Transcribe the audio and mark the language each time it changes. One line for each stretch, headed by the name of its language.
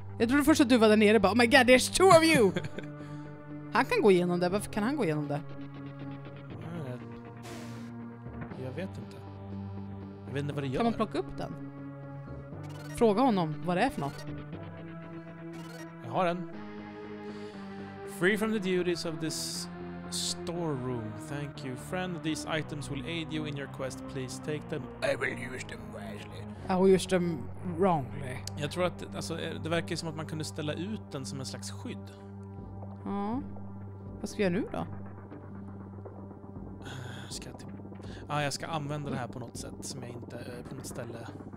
Swedish: Jag trodde först att du var där nere bara,
English: oh my god, there's two of you!
Swedish: Han kan gå igenom det, varför kan han gå igenom det? Jag vet inte. Jag vet inte vad det gör. Kan man plocka upp den? Fråga honom vad det är för något. Jag har den.
English: Free from the duties of this storeroom. Thank you, friend. These items will aid you in your quest. Please take them. I will use them wisely. I will use them wrongly.
Swedish: Jag tror att alltså, det verkar som att man kunde ställa ut den som en slags skydd. Ja. Vad ska jag göra nu då? Jag ska använda det här på något sätt som jag inte på något ställe.